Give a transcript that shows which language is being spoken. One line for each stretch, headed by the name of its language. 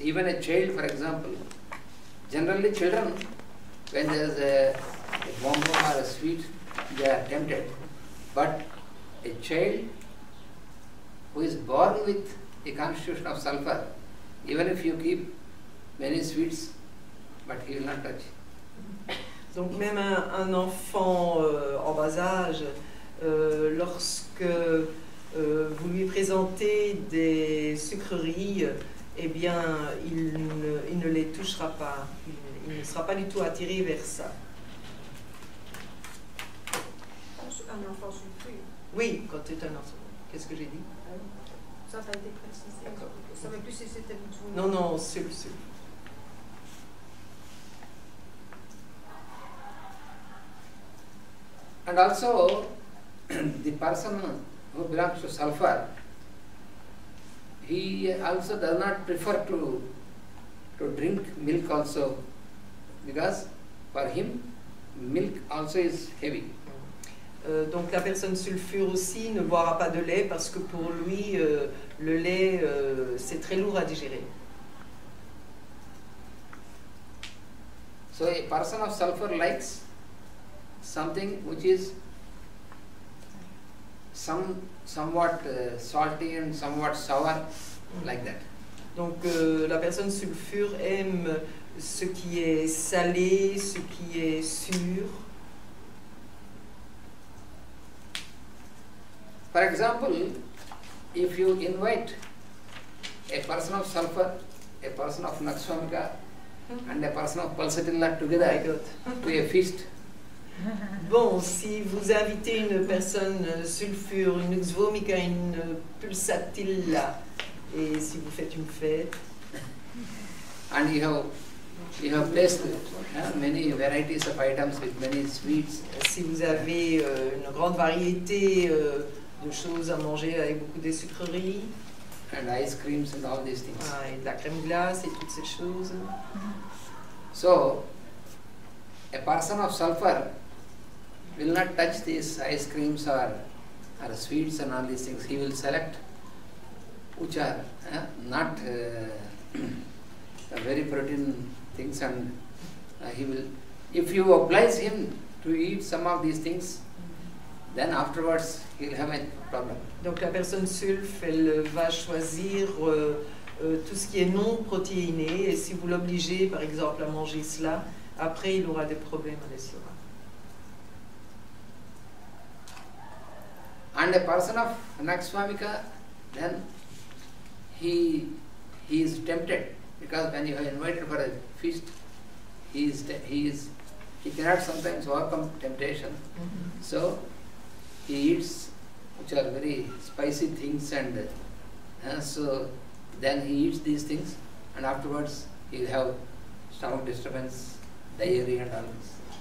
English: Even a child, for example, generally children, when there is a bonbon or a sweet, they are tempted. But a child who is born with a constitution of sulfur, even if you keep many sweets, but he will not touch.
French: Donc même un enfant en bas âge, lorsque vous lui présentez des sucreries, eh bien il ne les touchera pas. Il ne sera pas du tout attiré vers ça. Un enfant sulfure. Oui, quand tu es un enfant. Qu'est-ce que j'ai dit? Ça a été précisé. D'accord. Ça ne veut plus si c'était vous. Non, sulfure.
English: And also, the person who belongs to sulfur, he also does not prefer to drink milk also. Because for him, milk also is heavy.
French: Donc la personne sulfure aussi ne boira pas de lait parce que pour lui, le lait, c'est très lourd à digérer.
English: So a person of sulfur likes something which is somewhat salty and somewhat sour, like that.
French: Donc la personne sulfure aime ce qui est salé, ce qui est sûr.
English: For example, if you invite a person of sulfur, a person of nakshamika, and a person of pulsatilla together to a feast.
French: Bon, si vous invitez une personne sulfure, une nuxvomica, une pulsatilla, et si vous faites une fête.
English: And you have placed many varieties of items with many sweets.
French: Si vous avez une grande variété de choses à manger avec beaucoup de sucreries.
English: And ice creams and all these things.
French: Ah, et de la crème glace et toutes ces choses.
English: So, a person of sulfur will not touch these ice creams or sweets and all these things. He will select which are not very protein things, and he will. If you oblige him to eat some of these things, then afterwards he will have a problem.
French: Donc la personne sulfe, elle va choisir tout ce qui est non protéiné, et si vous l'obligez, par exemple, à manger cela, après il aura des problèmes à l'estomac.
English: And a person of nakshvamika, then he is tempted, because when you are invited for a feast, he cannot sometimes overcome temptation. Mm-hmm. So he eats which are very spicy things, and so then he eats these things, and afterwards he will have stomach disturbance, diarrhea and all this.